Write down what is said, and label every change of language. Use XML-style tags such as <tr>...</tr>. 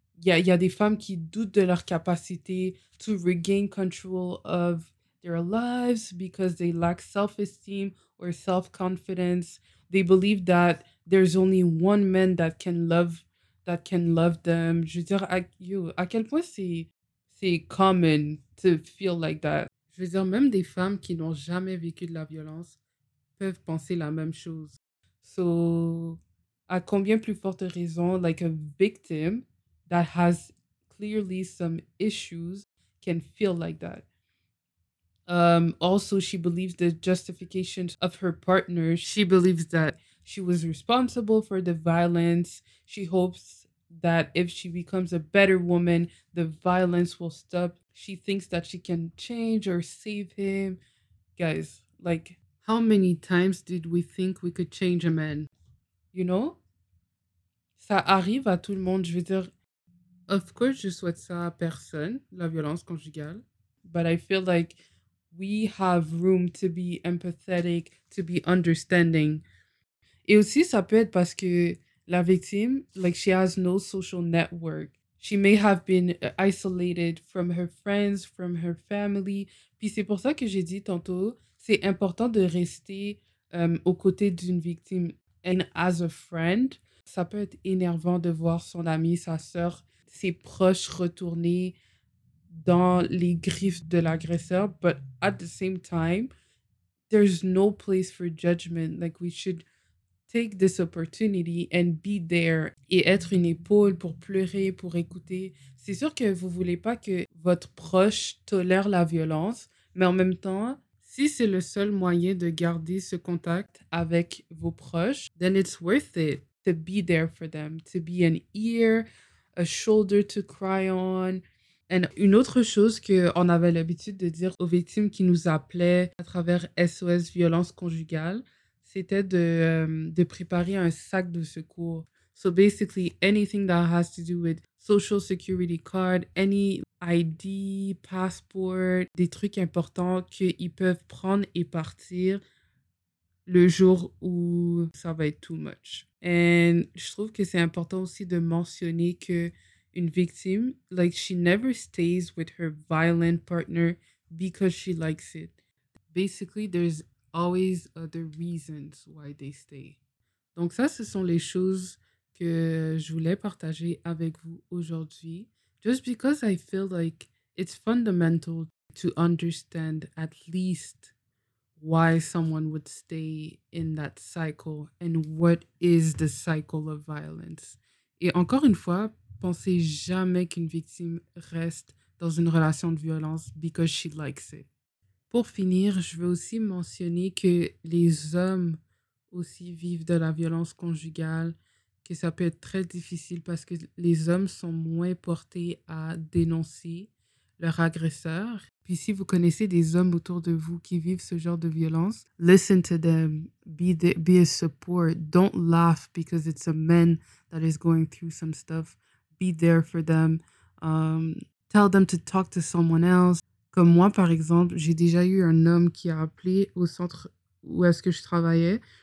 <fr>Il y a des femmes qui doutent de leur capacité</fr> <en>to regain control of their lives because they lack self-esteem or self-confidence. They believe that there's only one man that can love them.</en> <fr>Je veux dire, à quel point c'est</fr> <en>common to feel like that?</en> <fr>Je veux dire, même des femmes qui n'ont jamais vécu de la violence peuvent penser la même chose.</fr> <en>So,</en> <fr>à combien plus forte raison,</fr> <en>like, a victim that has clearly some issues can feel like that. Also, she believes the justification of her partner. She believes that she was responsible for the violence. She hopes that if she becomes a better woman, the violence will stop. She thinks that she can change or save him. Guys, like, how many times did we think we could change a man? You know?</en> <fr>Ça arrive à tout le monde, je veux dire.</fr> <en>Of course,</en> <fr>je souhaite ça à personne, la violence conjugale.</fr> <en>But I feel like we have room to be empathetic, to be understanding.</en> <fr>Et aussi, ça peut être parce que la victime,</fr> <en>like, she has no social network. She may have been isolated from her friends, from her family.</en> <fr>Puis c'est pour ça que j'ai dit tantôt, c'est important de rester aux côtés d'une victime.</fr> <en>And as a friend,</en> <fr>ça peut être énervant de voir son ami, sa sœur, ses proches retourner dans les griffes de l'agresseur.</fr> <en>But at the same time, there's no place for judgment. Like, we should take this opportunity and be there.</en> <fr>Et être une épaule pour pleurer, pour écouter. C'est sûr que vous voulez pas que votre proche tolère la violence, mais en même temps, si c'est le seul moyen de garder ce contact avec vos proches,</fr> <en>then it's worth it to be there for them, to be an ear, a shoulder to cry on.</en> <fr>Et une autre chose qu'on avait l'habitude de dire aux victimes qui nous appelaient à travers SOS violence conjugale, c'était de préparer un sac de secours.</fr> <en>So basically, anything that has to do with social security card, any ID, passport,</en> <fr>des trucs importants qu'ils peuvent prendre et partir le jour où ça va être</fr> <en>too much. And</en> <fr>je trouve que c'est important aussi de mentionner qu'une victime,</fr> <en>like, she never stays with her violent partner because she likes it. Basically, there's always other reasons why they stay.</en> <fr>Donc ça, ce sont les choses que je voulais partager avec vous aujourd'hui.</fr> <en>Just because I feel like it's fundamental to understand at least why someone would stay in that cycle and what is the cycle of violence.</en> <fr>Et encore une fois, pensez jamais qu'une victime reste dans une relation de violence</fr> <en>because she likes it.</en> <fr>Pour finir, je veux aussi mentionner que les hommes aussi vivent de la violence conjugale, que ça peut être très difficile parce que les hommes sont moins portés à dénoncer leur agresseur. Puis si vous connaissez des hommes autour de vous qui vivent ce genre de violence,</fr> <en>listen to them, be a support, don't laugh because it's a man that is going through some stuff, be there for them, tell them to talk to someone else.</en> <fr>Comme moi, par exemple, j'ai déjà eu un homme qui a appelé au centre où est-ce que je travaillais.</fr>